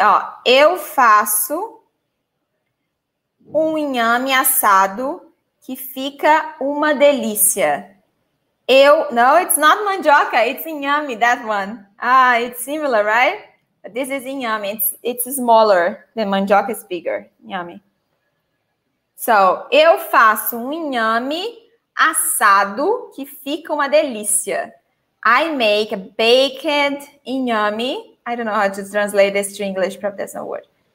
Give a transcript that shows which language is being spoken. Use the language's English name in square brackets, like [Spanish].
[Portuguese] Ó, eu faço um inhame assado que fica uma delícia. [English] Eu, no, it's not mandioca, it's inhame, that one. Ah, it's similar, right? But this is inhame, it's smaller, the mandioca is bigger, inhame. [Portuguese] So, eu faço um inhame assado que fica uma delícia. [English] I make a baked inhame, I don't know how to translate this to English, but that's not a word.